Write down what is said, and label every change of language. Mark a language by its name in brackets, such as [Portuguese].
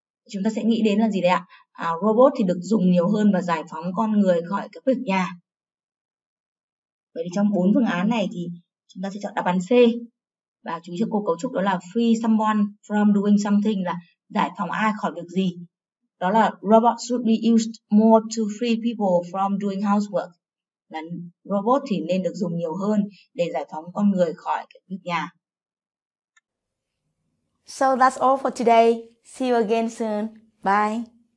[Vietnamese] Chúng ta sẽ nghĩ đến là gì đấy ạ? À, robot thì được dùng nhiều hơn và giải phóng con người khỏi các việc nhà. Vậy thì trong bốn phương án này thì chúng ta sẽ chọn đáp án C. Và chú ý cho cô cấu trúc đó là [English] free someone from doing something [Vietnamese] là giải phóng ai khỏi việc gì. Đó là [English] robots should be used more to free people from doing housework. [Vietnamese] Là robot thì nên được dùng nhiều hơn để giải phóng con người khỏi cái việc nhà. [English] So that's all for today. See you again soon. Bye.